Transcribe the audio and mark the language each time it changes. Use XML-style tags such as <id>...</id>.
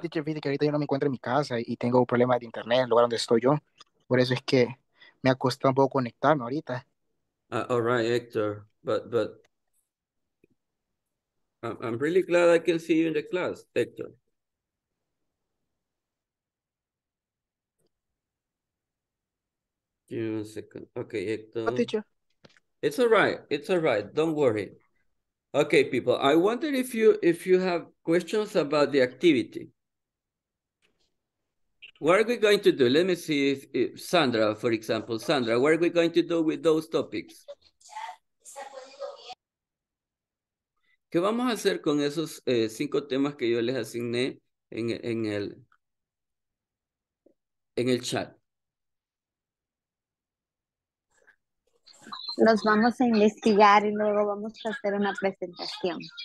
<es>Teacher, fíjate que ahorita yo no me encuentro en mi casa y tengo problemas de internet en el lugar donde estoy yo. Por eso es que me ha costado un poco conectarme ahorita.</es> <en>All right, Hector. But I'm really glad I can see you in the class, Hector. Give me a second. Okay, Hector. Oh, teacher. It's all right. It's all right. Don't worry. Okay, people. I wonder if you have questions about the activity. What are we going to do? Let me see if Sandra, for example. Sandra, what are we going to do with those topics?</en> <es>¿Qué vamos a hacer con esos cinco temas que yo les asigné en el chat? Los vamos a investigar y luego vamos a hacer una presentación.</es>